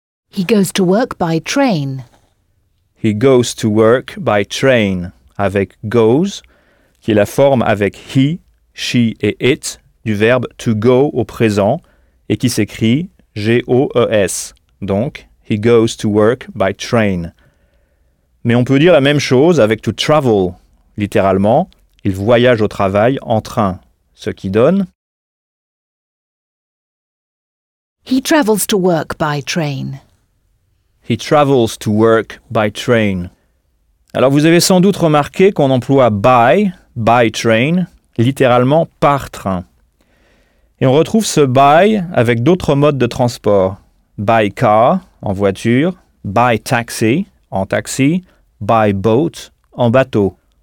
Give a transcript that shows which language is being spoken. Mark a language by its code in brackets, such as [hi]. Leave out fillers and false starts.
[en] He goes to work by train. He goes to work by train. [fr] Avec goes, qui est la forme avec he, she et it du verbe [en] to go [fr] au présent et qui s'écrit G-O-E-S. [en] Donc, he goes to work by train. [fr] Mais on peut dire la même chose avec to travel. Littéralement, il voyage au travail en train. Ce qui donne. [en] He travels to work by train. He travels to work by train. [fr] Alors vous avez sans doute remarqué qu'on emploie [en] by train, [fr] littéralement par train. Et on retrouve ce by avec d'autres modes de transport. [en] By car, [fr] en voiture. [en] By taxi, [fr] en taxi. [en] By boat, [fr] en bateau.